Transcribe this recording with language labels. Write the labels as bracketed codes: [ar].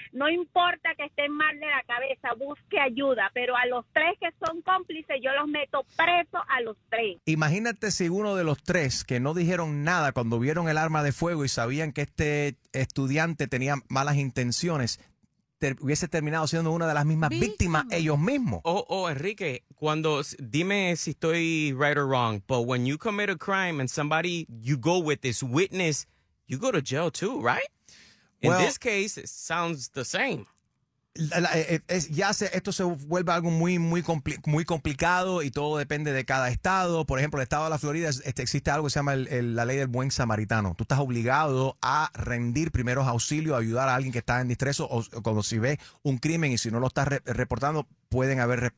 [es] No importa que estén mal de la cabeza, busque ayuda, pero a los tres que son cómplices, yo los meto presos a los tres. Imagínate si uno de los tres que no dijeron nada cuando vieron el arma de fuego y sabían que este estudiante tenía malas intenciones, hubiese terminado siendo una de las mismas víctimas ellos mismos. [en] Oh, Enrique, [es] dime si estoy [en] right or wrong, but when you commit a crime and somebody, you go with this witness, you go to jail too, right? In this case, it sounds the same. [es] Esto se vuelve algo muy complicado y todo depende de cada estado. Por ejemplo, el estado de la Florida existe algo que se llama la ley del buen samaritano. Tú estás obligado a rendir primeros auxilios, ayudar a alguien que está en distrés o cuando si ve un crimen y si no lo estás reportando, pueden haber